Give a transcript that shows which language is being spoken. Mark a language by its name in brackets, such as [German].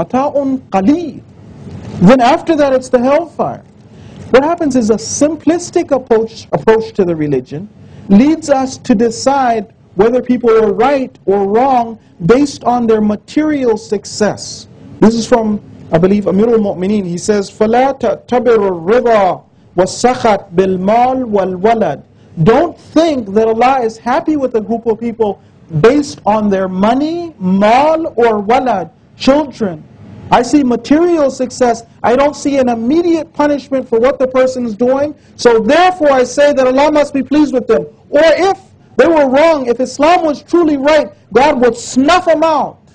[English] Mata'un qaleel. Then after that, it's the hellfire. What happens is a simplistic approach to the religion leads us to decide whether people are right or wrong based on their material success. This is from, I believe, Amirul Mu'mineen. He says, [Arabic] فَلَا تَعْتَبِرُ الرِّضَى وَالسَّخَطْ بِالْمَالِ وَالْوَلَدِ. [English] Don't think that Allah is happy with a group of people based on their money, mal, or walad, children. I see material success. I don't see an immediate punishment for what the person is doing. So therefore I say that Allah must be pleased with them. Or if they were wrong, if Islam was truly right, God would snuff them out.